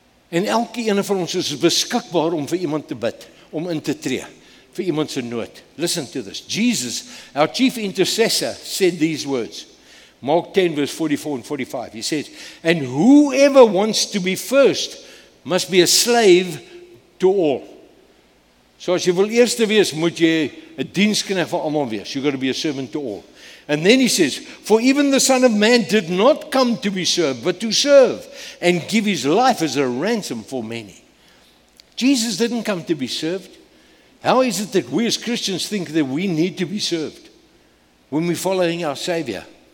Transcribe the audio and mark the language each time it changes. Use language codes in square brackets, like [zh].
[af] En elke ene van ons is beskikbaar om vir iemand te bid, om in te tree, vir iemand se nood. Listen to this. [en] Jesus, our chief intercessor, said these words. Mark 10 verse 44 and 45, he says, and whoever wants to be first must be a slave to all. [af] So as jy wil eerste wees, moet jy 'n dienskneg vir almal wees. [en] You've got to be a servant to all. And then he says, for even the Son of Man did not come to be served, but to serve and give his life as a ransom for many. Jesus didn't come to be served. How is it that we as Christians think that we need to be served when we're following our Savior?